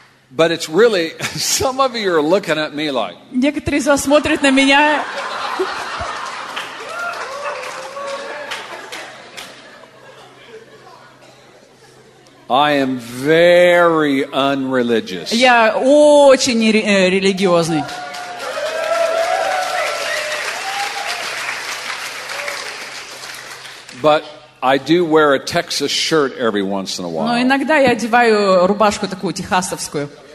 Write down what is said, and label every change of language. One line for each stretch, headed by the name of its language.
English: But it's really some of you are looking at me like.
Russian: Некоторые из вас смотрят на меня.
English: I am very unreligious.
Russian: Я очень религиозный.
English: But I do wear a Texas shirt every once in a while.
Russian: Но иногда я одеваю рубашку такую техасовскую.